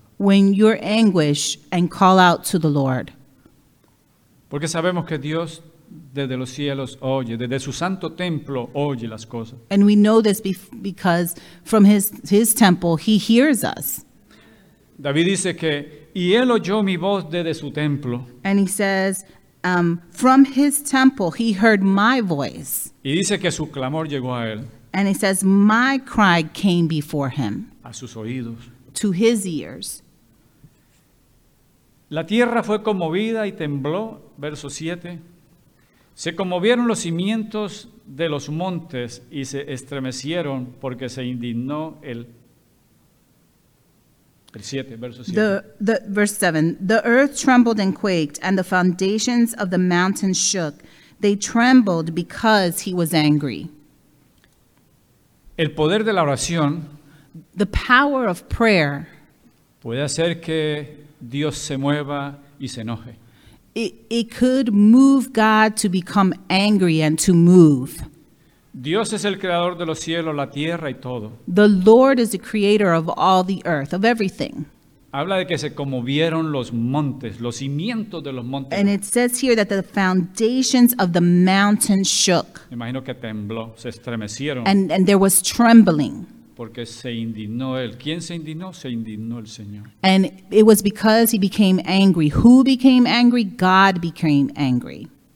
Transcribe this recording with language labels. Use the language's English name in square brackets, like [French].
[English] When you're anguished and call out to the Lord. [Spanish] Porque sabemos que Dios desde los cielos oye, desde su santo templo oye las cosas. [English] And we know this because from his temple he hears us. [Spanish] David dice que y él oyó mi voz desde su templo. [English] And he says from his temple he heard my voice. [Spanish] Y dice que su clamor llegó a él. [English] And he says my cry came before him. [Spanish] A sus oídos. [English] To his ears. [Spanish] La tierra fue conmovida y tembló, verso 7. Se conmovieron los cimientos de los montes y se estremecieron porque se indignó verse 7. [English] The earth trembled and quaked, and the foundations of the mountains shook. They trembled because he was angry. [Spanish] El poder de la oración, [English] the power of prayer, [Spanish] puede hacer que Dios se mueva y se enoje. [English] It could move God to become angry and to move. [Spanish] Dios es el creador de los cielos, la tierra y todo. [English] The Lord is the creator of all the earth, of everything. [Spanish] Habla de que se conmovieron los montes, los cimientos de los montes. [English] And it says here that the foundations of the mountains shook. [Spanish] Imagino que tembló, se estremecieron. [English] And there was trembling. [Spanish] Porque se indignó él. ¿Quién se indignó? Se indignó el Señor. [English] And it was because he became angry. Who became angry? God became angry.